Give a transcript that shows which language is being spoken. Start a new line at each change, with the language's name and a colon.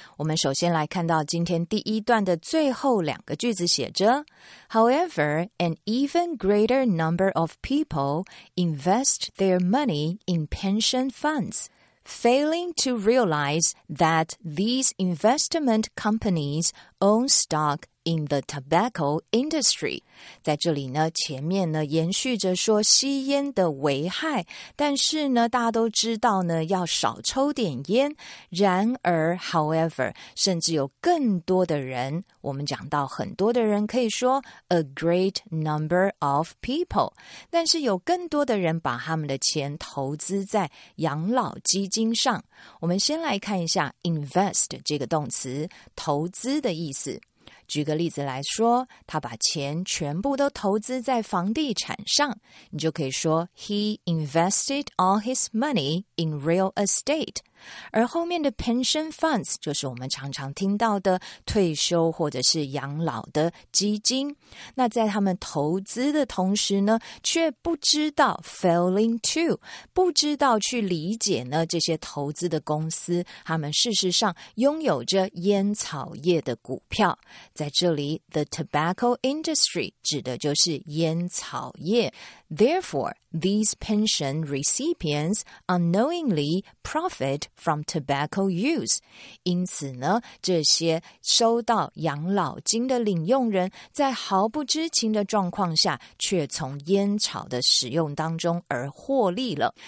Chinese: 我们首先来看到今天第一段的最后两个句子写着
English: However, an even greater number of people invest their money in pension funds, failing to realize that these investment companies own stock in the tobacco industry.
Chinese: 在这里呢，前面呢延续着说吸烟的危害，但是呢，大家都知道呢要少抽点烟。然而 ，however， 甚至有更多的人，我们讲到很多的人可以说
English: a great number of people，
Chinese: 但是有更多的人把他们的钱投资在养老基金上。我们先来看一下 invest 这个动词，投资的意思。举个例子来说，他把钱全部都投资在房地产上，你就可以说
English: He invested all his money in real estate。
Chinese: 而后面的 pension funds 就是我们常常听到的退休或者是养老的基金。那在他们投资的同时呢，却不知道 failing to， 不知道去理解呢这些投资的公司，他们事实上拥有着烟草业的股票。在这里 ，the tobacco industry 指的就是烟草业。
English: Therefore, these pension recipients unknowingly profit from tobacco use.
Chinese: 因此呢，这些收到养老金的领用人在毫不知情的状况下，却从烟草的使用当中而获利了。